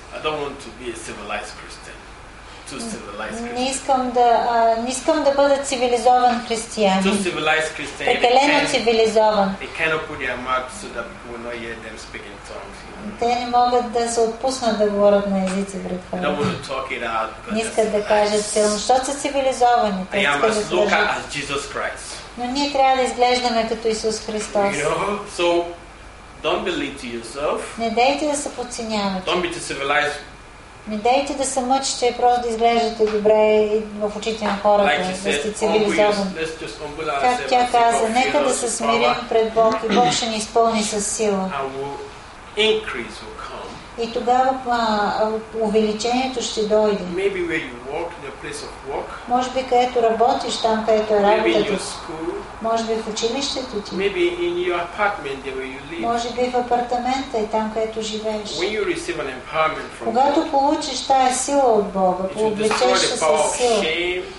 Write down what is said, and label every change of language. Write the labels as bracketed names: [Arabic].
[English] I don't want to be a civilized Christian. Too civilized Christian. [Bulgarian] Не искам да бъда цивилизован християнин. [English] Too civilized Christian. [Bulgarian] Прекалено цивилизован. [English] They cannot put their mouth so that people will not hear them speak in tongues. [Bulgarian] Те не могат да се отпуснат да говорят на езици пред хората. Не искат да кажат силно, защото са цивилизовани. Те искат да кажат. Но ние трябва да изглеждаме като Исус Христос. [English] You know? So, don't believe to yourself. [Bulgarian] Не дейте да се подценявате. [English] Don't be too civilized. [Bulgarian] Не дейте да се мъчите, просто да изглеждате добре в очите на хората, [English] like [Bulgarian] да сте цивилизовани. Как тя каза, нека да се смирим пред Бог и Бог ще ни изпълни с сила. [English] Increase will come. [Bulgarian] И тогава увеличението ще дойде. [English] Maybe where you work, the place of work. [Bulgarian] Може би където работиш, там където е работата. [English] Maybe in your school. [Bulgarian] Може би в училището ти. [English] Maybe in your apartment, where you live. [Bulgarian] Може би в апартамента и там където живееш. [English] When you receive an empowerment from [Bulgarian] Когато получиш тая сила от Бога, увеличиш се със сила.